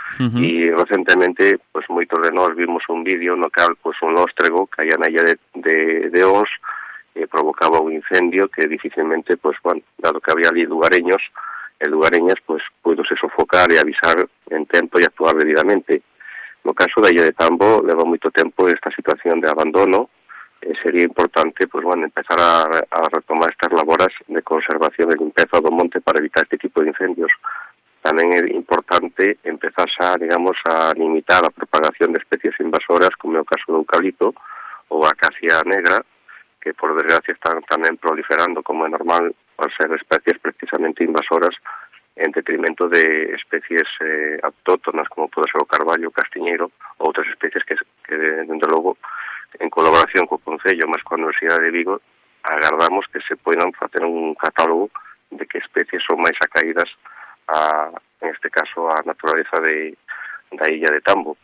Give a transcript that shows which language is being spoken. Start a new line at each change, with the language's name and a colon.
Galician: Uh-huh. Y recentemente, pues moitos de nós vimos un vídeo no cal pues un lóstrego caía na illa de Ós, provocaba un incendio que difícilmente, pues bueno, dado que había ali lugareños e lugareñas, pues pudo se sofocar e avisar en tempo e actuar debidamente. No caso da illa de Tambo, leva moito tempo esta situación de abandono. Sería importante, pues bueno, empezar a retomar estas labores de conservación e limpeza do monte para evitar este tipo de incendios. Tamén é importante empezar xa, digamos, a limitar a propagación de especies invasoras, como é o caso do eucalipto ou a acacia negra,
Spanish: que por desgracia están también proliferando como es normal al ser especies precisamente invasoras en detrimento de especies autóctonas como puede ser el carballo, castiñeiro o otras especies que desde luego en colaboración con el concello más con la Universidad de Vigo agardamos que se puedan hacer un catálogo de qué especies son más acaídas a, en este caso, a naturaleza de da illa de Tambo.